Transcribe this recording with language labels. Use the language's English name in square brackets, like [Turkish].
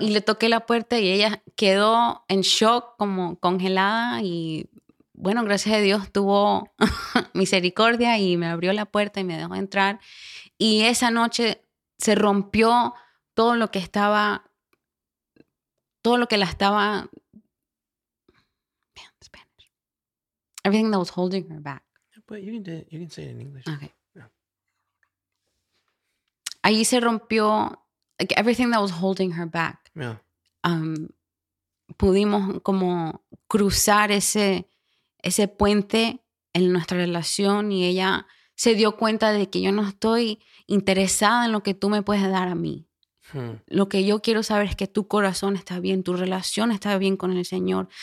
[Spanish] Y le toqué la puerta y ella quedó en shock, como congelada. Y bueno, gracias a Dios tuvo misericordia y me abrió la puerta y me dejó entrar. Y esa noche se rompió todo lo que estaba, todo lo que la estaba... [English] Man, Spanish. Everything that was holding her back. But you can say it in English. Okay. Yeah. [Spanish] Ahí se rompió, [English] like, everything that was holding her back. Yeah. [Spanish] Pudimos como cruzar ese puente en nuestra relación y ella se dio cuenta de que yo no estoy interesada en lo que tú me puedes dar a mí. Lo que yo quiero saber es que tu corazón está bien, tu relación está bien con el Señor.